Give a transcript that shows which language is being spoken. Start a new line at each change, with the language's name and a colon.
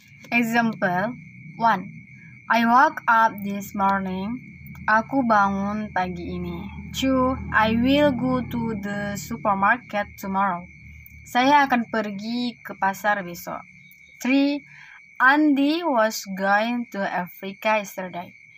English: Example 1. I woke up this morning.
Indonesian: Aku bangun pagi ini.
English: 2. I will go to the supermarket tomorrow.
Indonesian: Saya akan pergi ke pasar besok. 3.
English: Andy was going to Africa yesterday.